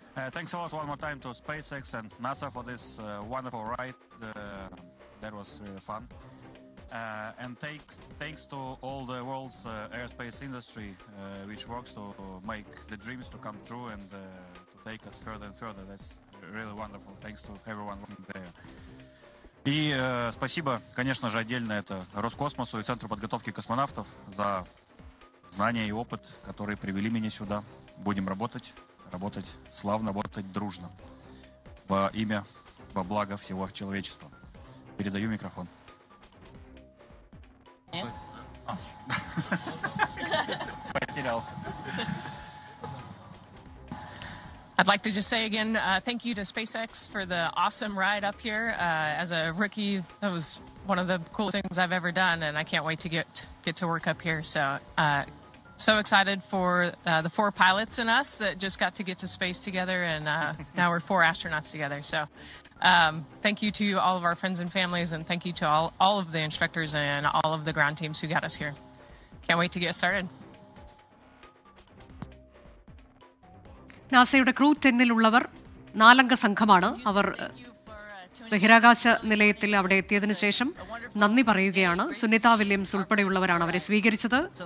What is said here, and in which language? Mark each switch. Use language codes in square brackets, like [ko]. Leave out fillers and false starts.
[en] Thanks a lot one more time to SpaceX and NASA for this wonderful ride. That was really fun. And thanks to all the world's aerospace industry, which works to make the dreams to come true and to take us further and further. That's really wonderful. Thanks to everyone working there. [ru] И спасибо, конечно же, отдельно это Роскосмосу и Центру подготовки космонавтов за знания и опыт, которые привели меня сюда. Будем работать славно, работать дружно. Во имя, во благо всего человечества. Передаю микрофон. Потерялся. [en] I'd like to just say again, thank you to SpaceX for the awesome ride up here. As a rookie, that was one of the coolest things I've ever done, and I can't wait to get to work up here. So excited for the four pilots in us that just got to get to space together, and now we're four astronauts together. So thank you to all of our friends and families, and thank you to all of the instructors and all of the ground teams who got us here. Can't wait to get started. [ml] NASA-യുടെ crew 10 ലുള്ളവർ നാലംഗ സംഘമാണ്. അവർ ബഹിരാകാശ നിലയത്തിൽ അവിടെ എത്തിയതിനു ശേഷം നന്ദി പറയുകയാണ്. Sunitha Williams ഉൾപ്പെടെയുള്ളവരാണ് അവരെ സ്വീകരിച്ചത്.